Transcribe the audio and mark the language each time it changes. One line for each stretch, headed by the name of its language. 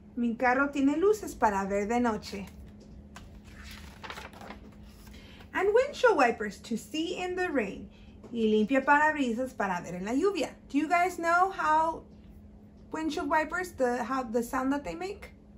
Spanish: Mi carro tiene luces para ver de noche.
English: And windshield wipers to see in the rain.
Spanish: Y limpia parabrisas para ver en la lluvia.
English: Do you guys know how windshield wipers, the sound that they make?